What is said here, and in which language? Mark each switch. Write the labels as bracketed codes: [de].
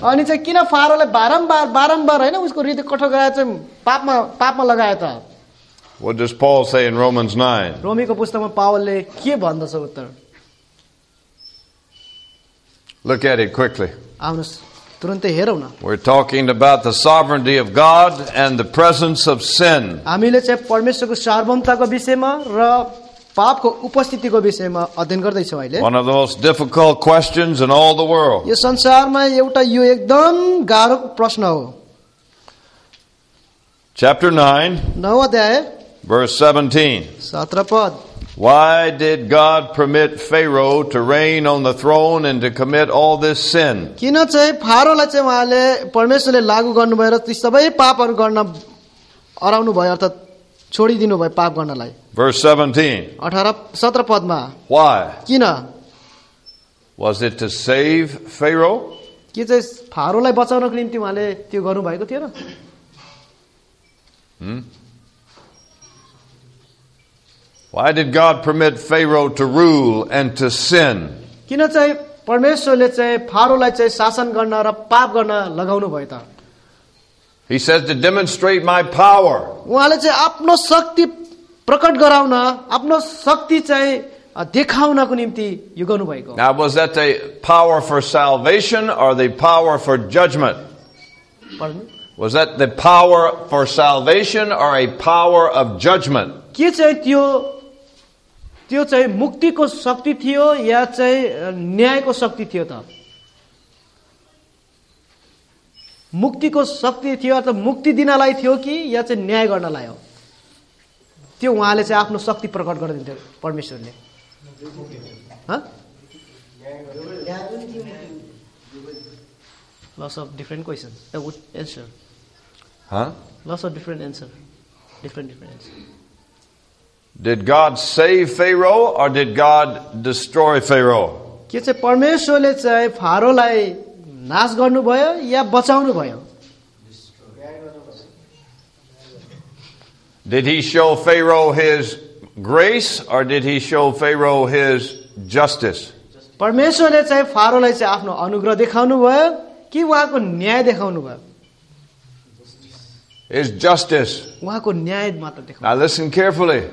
[ne] अनि चाहिँ किन फारोलाई बारम्बार हैन उसको हृदय कठोर गराए चाहिँ पापमा लगाए त? [en] What does Paul say in Romans 9? [ne] रोमीको पुस्तकमा पावलले के भन्दछ उत्तर? [en] Look at it quickly. [ne] आउनुस तुरन्तै हेरौ न. [en] We're talking about the sovereignty of God and the presence of sin. [ne] हामीले चाहिँ परमेश्वरको सार्वभौमताको विषयमा र पापको उपस्थितिको विषयमा अध्ययन गर्दै छौ अहिले. [en] One of the most difficult questions in all the world. [ne] यो संसारमा एउटा यो एकदम गाह्रो प्रश्न हो. [en] Chapter 9. [ne] 9 अध्याय. [en] Verse 17. [ne] 17 पद. [en] Why did God permit Pharaoh to reign on the throne and to commit all this sin? [ne] किन चाहिँ फारोलाई चाहिँ उहाँले परमेश्वरले लागू गर्नु भएर ती सबै पापहरू गर्न अराउनु भयो, अर्थात् छोडिदिनु भयो पाप गर्नलाई. [en] Verse 17. [ne] 17 पदमा. [en] Why? [ne] किन? [en] Was it to save Pharaoh? [ne] के चाहिँ फारोलाई बचाउनको निम्ति उहाँले त्यो गर्नु भएको थियो र? [en] Why did God permit Pharaoh to rule and to sin? [ne] किन चाहिँ परमेश्वरले चाहिँ फारोलाई चाहिँ शासन गर्न र पाप गर्न लगाउनु भयो त? [en] He says to demonstrate my power. [ne] उहाँले चाहिँ आफ्नो शक्ति प्रकट गराउन, आफ्नो शक्ति चाहिँ देखाउनको निम्ति यो गर्नु भएको. [en] Now was that a power for salvation or the power for judgment? Was that the power for salvation or a power of judgment? [ne] के चाहिँ त्यो चाहिँ मुक्तिको शक्ति थियो या चाहिँ न्यायको शक्ति थियो त? मुक्तिको शक्ति थियो अर्थात् मुक्ति दिनलाई थियो कि या चाहिँ न्याय गर्नलाई हो? त्यो उहाँले चाहिँ आफ्नो शक्ति प्रकट गरिदिन्थ्यो परमेश्वरले. [en] Lots of different questions. A good answer. Huh? Lots of different answer. Different answer. Did God save Pharaoh or did God destroy Pharaoh? [ne] के चाहिँ परमेश्वरले चाहिँ फारोलाई नाश गर्नुभयो या बचाउनुभयो? [en] Did he show Pharaoh his grace or did he show Pharaoh his justice? [ne] परमेश्वरले चाहिँ फारोलाई चाहिँ आफ्नो अनुग्रह देखाउनुभयो कि उहाँको न्याय देखाउनुभयो? [en] Is justice. Now listen carefully.